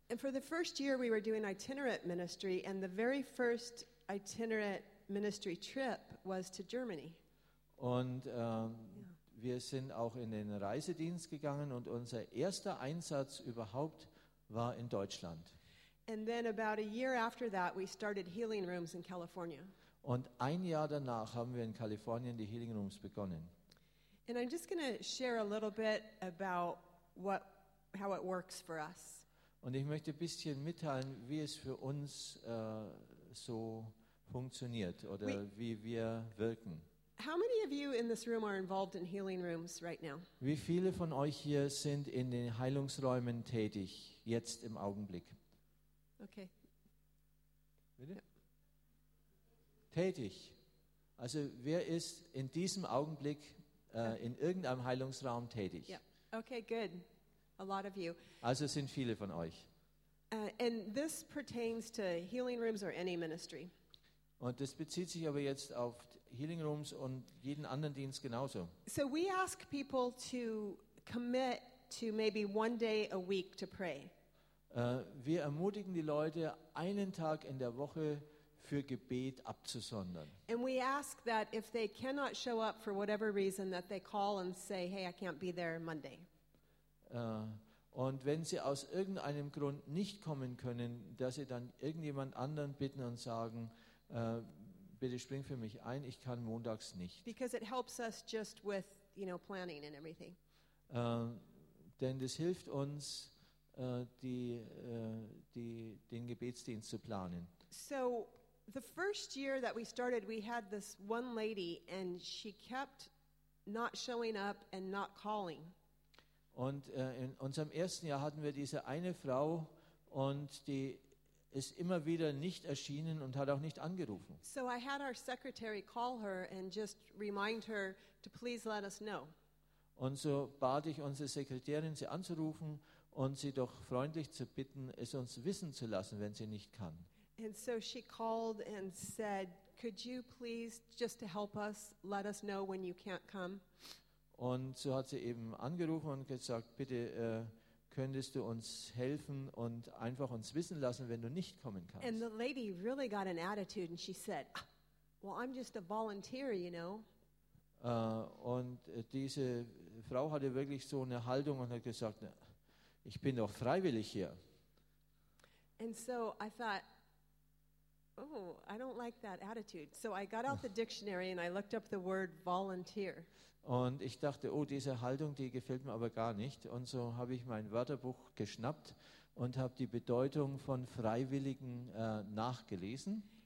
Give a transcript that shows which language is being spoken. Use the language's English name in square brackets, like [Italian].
[English] And for the first year we were doing itinerant ministry and the very first itinerant ministry trip was to Germany. [German] Und wir sind auch in den Reisedienst gegangen und unser erster Einsatz überhaupt war in Deutschland. [English] And then about a year after that we started healing rooms in California. [German] Und 1 Jahr danach haben wir in Kalifornien die Healing Rooms begonnen. [English] And I'm just going to share a little bit about how it works for us. [German] Und ich möchte ein bisschen mitteilen, wie es für uns so funktioniert oder wie wir wirken. [English] How many of you in this room are involved in healing rooms right now? [German] Wie viele von euch hier sind in den Heilungsräumen tätig jetzt im Augenblick? [English] Okay. [German] Bitte? Yep. Tätig. Also wer ist in diesem Augenblick in irgendeinem Heilungsraum tätig? [English] Yep. Okay, good. A lot of you. [German] Also sind viele von euch. [English] And this pertains to healing rooms or any ministry. [German] Und das bezieht sich aber jetzt auf Healing Rooms und jeden anderen Dienst genauso. [English] So we ask people to commit to maybe one day a week to pray. [German] Wir ermutigen die Leute, einen Tag in der Woche für Gebet abzusondern. [English] And we ask that if they cannot show up for whatever reason, that they call and say, hey, I can't be there Monday. [German] Und wenn sie aus irgendeinem Grund nicht kommen können, dass sie dann irgendjemand anderen bitten und sagen, bitte spring für mich ein, ich kann montags nicht. [English] Because it helps us just with, you know, planning and everything. [German] Denn das hilft uns, den Gebetsdienst zu planen. [English] So, the first year that we started, we had this one lady and she kept not showing up and not calling. [German] Und in unserem ersten Jahr hatten wir diese eine Frau und die ist immer wieder nicht erschienen und hat auch nicht angerufen. [English] So I had our secretary call her and just remind her to please let us know. [German] Und so bat ich unsere Sekretärin, sie anzurufen und sie doch freundlich zu bitten, es uns wissen zu lassen, wenn sie nicht kann. [English] And so she called and said, could you please, just to help us, let us know when you can't come? [German] Und so hat sie eben angerufen und gesagt, bitte könntest du uns helfen und einfach uns wissen lassen, wenn du nicht kommen kannst. [English] And the lady really got an attitude and she said, well, I'm just a volunteer, you know. [German] Und diese Frau hatte wirklich so eine Haltung und hat gesagt, ich bin doch freiwillig hier. [English] And so I thought, oh, I don't like that attitude. So I got out the dictionary and I looked up the word volunteer. [German] Und ich dachte, oh, diese Haltung, die gefällt mir aber gar nicht. Und so habe ich mein Wörterbuch geschnappt und habe die Bedeutung von Freiwilligen nachgelesen.